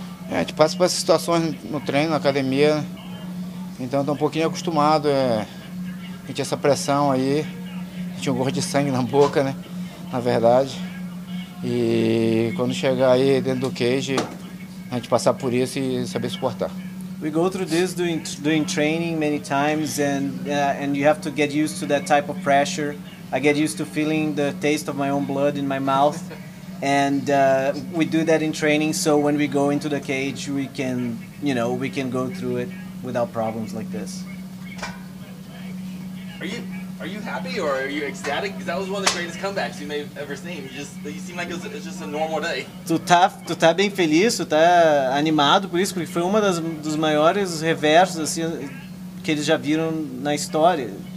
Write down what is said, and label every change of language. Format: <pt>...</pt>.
<pt>A gente passa por essas situações no treino, na academia. Então, estou um pouquinho acostumado. A gente tinha essa pressão aí. A gente tinha um gorro de sangue na boca, né? Na verdade. E quando chegar aí dentro do cage, a gente passar por isso e saber suportar.</pt> <en>We go through this doing training many times and you have to get used to that type of pressure. I get used to feeling the taste of my own blood in my mouth. And we do that in training, so when we go into the cage, we can, you know, we can go through it without problems like this. Are you happy or are you ecstatic? Because that was one of the greatest comebacks you may have ever seen. You seem like it's just a normal day.</en> <pt>Tu tá bem feliz, tu tá animado por isso, porque foi uma dos maiores reversos assim que eles já viram na história.</pt>